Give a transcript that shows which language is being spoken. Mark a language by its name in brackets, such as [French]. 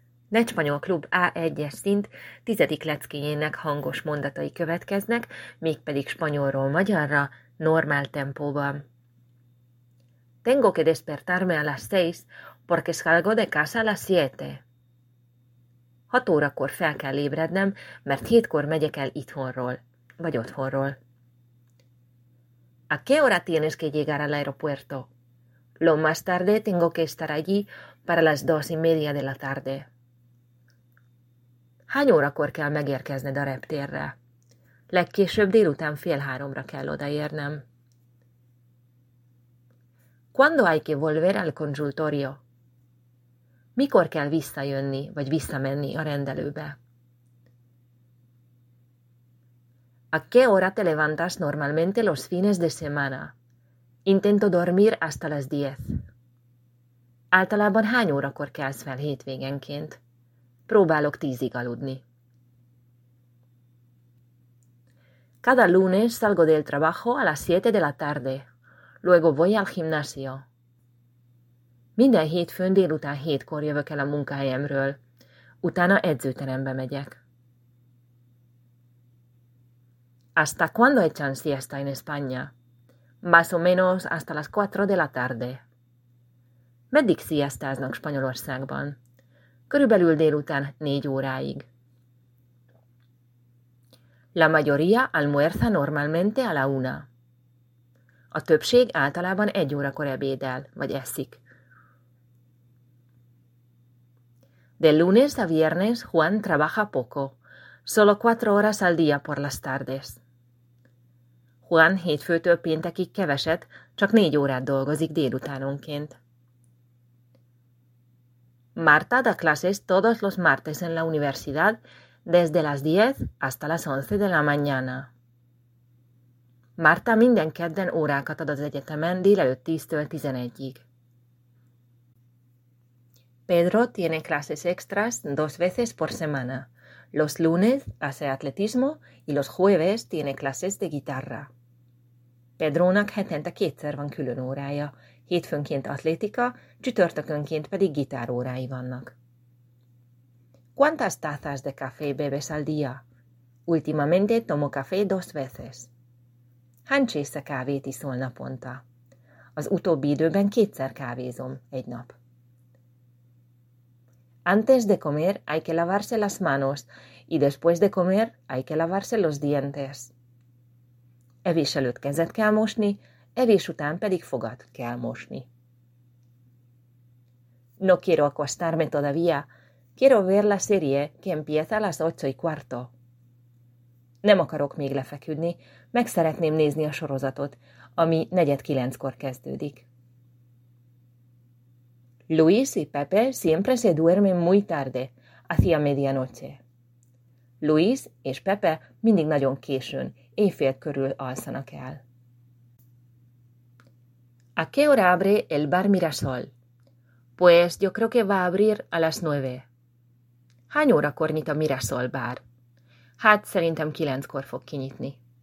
[Hungarian] Lecspanyol klub A1-es szint 10. leckéjének hangos mondatai következnek, mégpedig spanyolról magyarra, normál tempóban. [Spanish] Tengo que despertarme a las 6 porque salgo de casa a las 7. [Hungarian] 6 órakor fel kell ébrednem, mert 7-kor megyek el itthonról, vagy otthonról. [Spanish] ¿A qué hora tienes que llegar al aeropuerto? Lo más tarde tengo que estar allí para las 2:30 de la tarde. [Hungarian] Hány órakor kell megérkezned a reptérre? Legkésőbb délután 2:30-ra kell odaérnem. [Spanish] ¿Cuándo hay que volver al consultorio? [Hungarian] Mikor kell visszajönni, vagy visszamenni a rendelőbe? [Spanish] ¿A qué hora te levantas normalmente los fines de semana? Intento dormir hasta las 10. [Hungarian] Általában hány órakor kelsz fel hétvégenként? Próbálok 10-ig aludni. [Spanish] Cada lunes salgo del trabajo a las 7 de la tarde. Luego voy al gimnasio. [Hungarian] Minden hétfőn délután 7-kor jövök el a munkahelyemről. Utána edzőterembe megyek. [Spanish] ¿Hasta cuándo echan siesta en España? Más o menos hasta las 4 de la tarde. [Hungarian] ¿Meddig siestáznak Spanyolországban? Körülbelül délután 4 óráig. [Spanish] La mayoría almuerza normalmente a la 1. [Hungarian] A többség általában 1 órakor ebédel, vagy eszik. [Spanish] De lunes a viernes Juan trabaja poco. Solo 4 horas al día por las tardes. [Hungarian] Juan hétfőtől péntekig keveset, csak 4 órát dolgozik délutánonként. [Spanish] Marta da clases todos los martes en la universidad desde las 10 hasta las 11 de la mañana. [Hungarian] Marta minden kedden órákat ad az egyetemen délelőtt 10-től 11-ig. [Spanish] Pedro tiene clases extras 2 veces por semana. Los lunes hace atletismo y los jueves tiene clases de guitarra. [Hungarian] Pedrónak hetente 2-szer van külön órája, hétfőnként atlétika, csütörtökönként pedig gitárórái vannak. [Spanish] ¿Cuántas tazas de café bebes al día? Últimamente tomo café 2 veces. [Hungarian] Hány csésze kávét iszol naponta? Az utóbbi időben 2-szer kávézom egy nap. [Spanish] Antes de comer hay que lavarse las manos y después de comer hay que lavarse los dientes. [Hungarian] Evés előtt kezet kell mosni, evés után pedig fogat kell mosni. [Spanish] No quiero acostarme todavía. Quiero ver la serie que empieza a las 8:15. [Hungarian] Nem akarok még lefeküdni, meg szeretném nézni a sorozatot, ami 8:45-kor kezdődik. [Spanish] Luis y Pepe siempre se duermen muy tarde, hacia medianoche. [Hungarian] Luis és Pepe mindig nagyon későn, éjfél körül alszanak el. [Spanish] ¿A qué hora abre el bar Mirasol? Pues yo creo que va a abrir a las 9. [Hungarian] Hány órakor nyit a Mirasol bar? Hát szerintem 9-kor fog kinyitni.